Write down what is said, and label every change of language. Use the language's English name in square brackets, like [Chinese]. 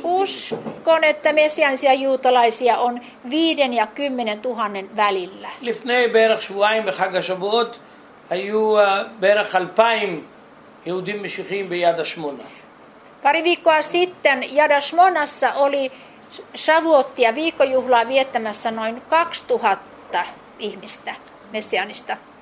[Finnish] uskon, että messiaanisia juutalaisia on 5,000 ja 10,000 välillä. [Hebrew] לפני בערך שבועיים בחג השבועות היו בערך 2,000 יהודים משיחים ביד השמונה. [Finnish] Pari viikkoa sitten Yad HaShmonassa oli Shavuottia viikkojuhlaa viettämässä noin 2,000 ihmistä messianista.